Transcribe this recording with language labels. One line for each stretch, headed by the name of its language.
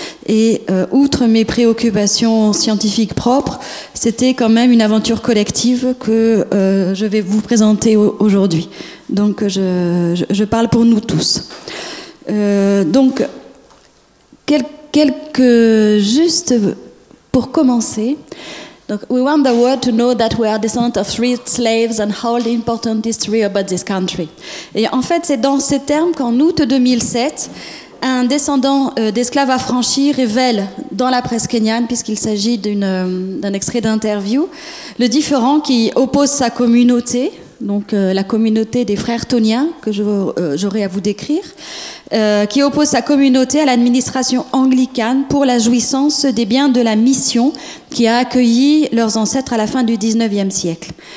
French: Et outre mes préoccupations scientifiques propres, c'était quand même une aventure collective que je vais vous présenter aujourd'hui. Donc je parle pour nous tous. Donc quelques juste pour commencer.
English: Donc, we want the world to know that we are descendants of three slaves and hold important history about this country.
French: Et en fait, c'est dans ces termes qu'en août 2007, un descendant d'esclaves affranchis révèle dans la presse kenyane, puisqu'il s'agit d'un extrait d'interview, le différend qui oppose sa communauté, donc la communauté des frères toniens que j'aurai à vous décrire, qui oppose sa communauté à l'administration anglicane pour la jouissance des biens de la mission qui a accueilli leurs ancêtres à la fin du 19e siècle.